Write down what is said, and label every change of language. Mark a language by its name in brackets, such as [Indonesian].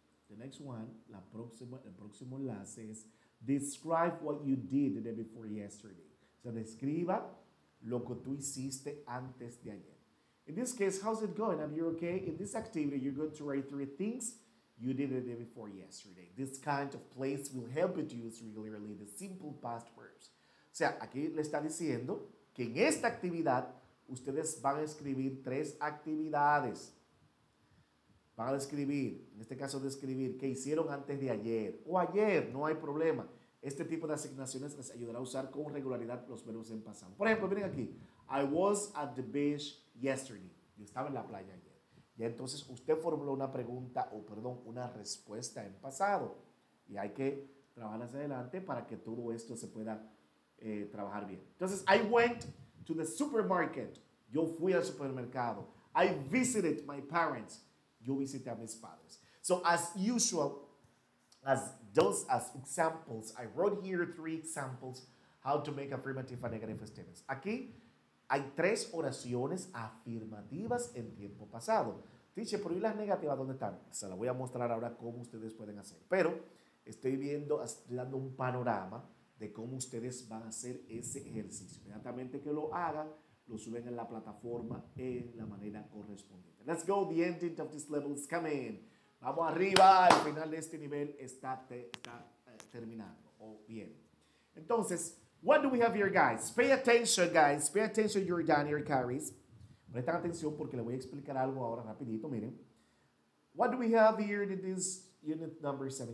[English] The next one, [Spanish] el próximo enlace es [English] describe what you did the day before yesterday. [Spanish] So describa lo que tú hiciste antes de ayer. [English] In this case, how's it going? Are you okay? In this activity, you're going to write 3 things you did the day before yesterday. This kind of place will help you to use regularly the simple past verbs. [Spanish] O sea, aquí le está diciendo que en esta actividad ustedes van a escribir 3 actividades. Van a describir, en este caso describir, qué hicieron antes de ayer o ayer, no hay problema. Este tipo de asignaciones les ayudará a usar con regularidad los verbos en pasado. Por ejemplo, miren aquí, [English] I was at the beach yesterday. [Spanish] Yo estaba en la playa ayer. Y entonces usted formuló una pregunta o, perdón, una respuesta en pasado. Y hay que trabajar hacia adelante para que todo esto se pueda trabajar bien. Entonces, [English] I went to the supermarket. [Spanish] Yo fui al supermercado. [English] I visited my parents. [Spanish] Yo visité a mis padres. So as usual, as examples, I wrote here 3 examples how to make affirmative and negative statements. Aquí hay 3 oraciones afirmativas en tiempo pasado. Dice, pero ¿y las negativas dónde están? Se las voy a mostrar ahora cómo ustedes pueden hacer. Pero estoy viendo, estoy dando un panorama de cómo ustedes van a hacer ese ejercicio. Inmediatamente que lo hagan, lo suben en la plataforma en la manera correspondiente. [English] Let's go, the ending of this level is coming. [Spanish] Vamos arriba, el final de este nivel está, está terminando. O bien. [English] Entonces, what do we have here, guys? Pay attention, guys. Pay attention, you're done, your carries. [Spanish] Presten atención porque le voy a explicar algo ahora rapidito, miren. [English] What do we have here in this unit number 7?